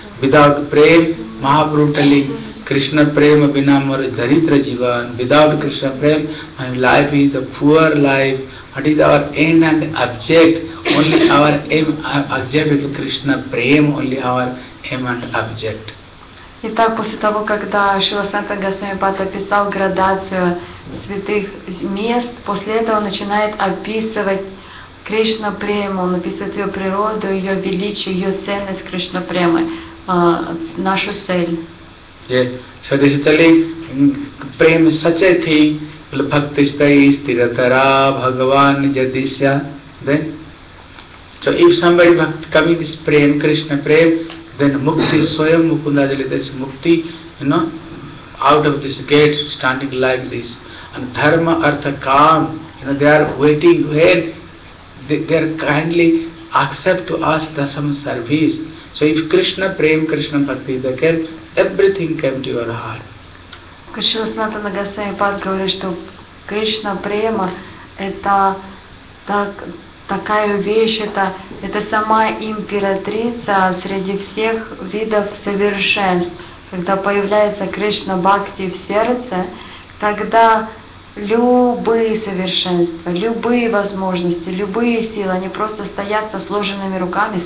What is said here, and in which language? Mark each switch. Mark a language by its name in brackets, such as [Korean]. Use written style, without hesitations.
[English] Without Prem, Mahaprabhu telling, Krishna Prem Abhinamara Dharitra Jivan. Without Krishna Prem, my life is a poor life. What is our end and object? Only our aim, object is Krishna Prem, only our aim and object. [Russian] Итак, после того, когда Шрила Санатана Госвами Пад описал градацию святых мест, после этого он начинает описывать Кришна Прему, он описывает ее природу, ее величие, ее ценность Кришна Премы, нашу цель. [English] Yeah. So this is telling, Prem is such a thing, Bhakti Stai Stiratara Bhagavan Jadisya. Then, so if somebody coming this Prem, Krishna Prem, then Mukti, Swayam Mukunda Jalita is Mukti, you know, out of this gate, standing like this. And Dharma, Artha, Kaam, you know, they are waiting where they are kindly accept to ask the some service. So if Krishna Prem, Krishna Bhakti is the case, everything came to your heart. [Russian] Кришна Санатана Госвами Пад говорит, что Кришна Према – это такая вещь, это сама императрица среди всех видов совершенств. когда появляется Кришна Бхакти в сердце, тогда любые совершенства, любые возможности, любые силы, они просто стоят со сложенными руками.